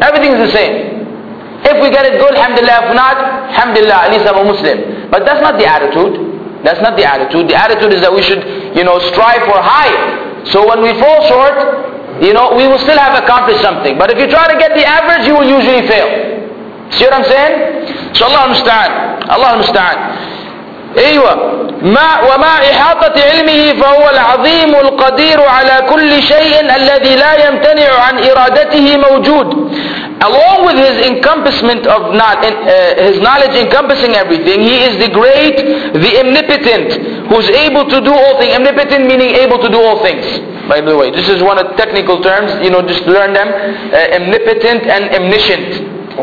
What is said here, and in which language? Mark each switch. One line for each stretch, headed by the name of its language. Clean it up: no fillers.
English: Everything is the same. If we get it good, alhamdulillah. If not, alhamdulillah, at least I'm a Muslim. But that's not the attitude. That's not the attitude. The attitude is that we should, you know, strive for high. So when we fall short, you know, we will still have accomplished something. But if you try to get the average, you will usually fail. See what I'm saying? So Allah musta'an. Allah musta'an.
Arabic: أيوة ما وما إحاطة علمه فهو العظيم القدير على كل شيء الذي لا يمتنع عن إرادته موجود.
English: Along with his encompassment of his knowledge encompassing everything, he is the great, the omnipotent, who's able to do all things. Omnipotent meaning able to do all things. By the way, this is one of the technical terms. You know, just learn them. Omnipotent and omniscient.